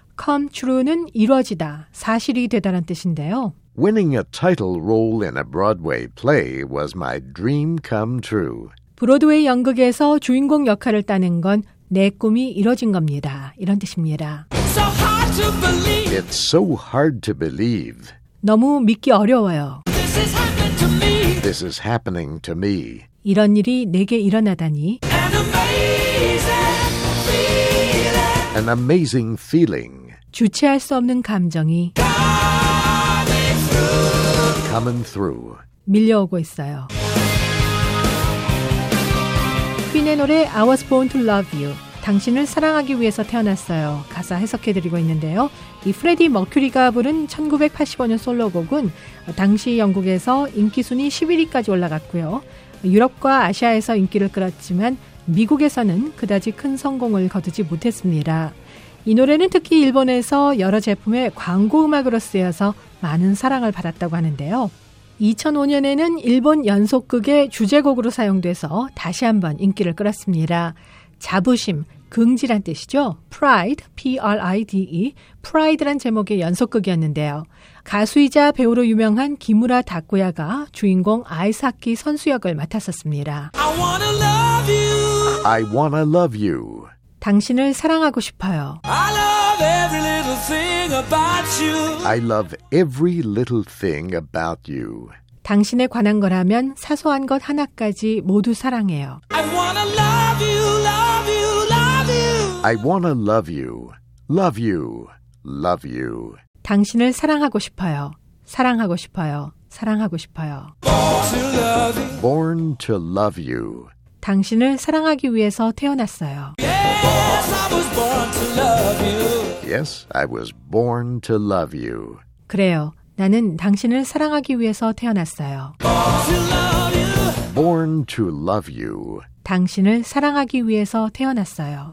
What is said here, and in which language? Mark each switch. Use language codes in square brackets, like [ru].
[ko] Come true는 이루어지다, 사실이 되다란 뜻인데요. [en] Winning a title role in a Broadway play was my dream come true. [ko] 브로드웨이 연극에서 주인공 역할을 따는 건 내 꿈이 이뤄진 겁니다. 이런 뜻입니다. [en] So hard to believe. It's so hard to believe. [ko] 너무 믿기 어려워요. [en] This is happening to me. This is happening to me. [ko] 이런 일이 내게 일어나다니. [en] An amazing feeling. An amazing feeling. [ko] 주체할 수 없는 감정이 [en] Coming through. [ko] 밀려오고 있어요. 퀸의 노래 I was born to love you. 당신을 사랑하기 위해서 태어났어요. 가사 해석해드리고 있는데요. 이 프레디 머큐리가 부른 1985년 솔로곡은 당시 영국에서 인기순위 11위까지 올라갔고요. 유럽과 아시아에서 인기를 끌었지만 미국에서는 그다지 큰 성공을 거두지 못했습니다. 이 노래는 특히 일본에서 여러 제품의 광고음악으로 쓰여서 많은 사랑을 받았다고 하는데요. 2005년에는 일본 연속극의 주제곡으로 사용돼서 다시 한번 인기를 끌었습니다. 자부심, 긍지란 뜻이죠. Pride, P-R-I-D-E, Pride란 제목의 연속극이었는데요. 가수이자 배우로 유명한 기무라 다쿠야가 주인공 아이스하키 선수 역을 맡았었습니다. [en] I wanna love you. I wanna love you. [ko] 당신을 사랑하고 싶어요. [en] I love every little thing about you. I love every little thing about you. [ko] 당신에 관한 거라면 사소한 것 하나까지 모두 사랑해요. [en] I wanna love you, love you, love you. I wanna love you, love you, love you. [ko] 당신을 사랑하고 싶어요. 사랑하고 싶어요. 사랑하고 싶어요. [en] Born to love you. Born to love you. [ko] 당신을 사랑하기 위해서 태어났어요. [en] Yes, I was born to love you. Yes, I was born to love you. [ko] 그래요. 나는 당신을 사랑하기 위해서 태어났어요. [en] Born to love you. Born to love you. [ko] 당신을 사랑하기 위해서 태어났어요.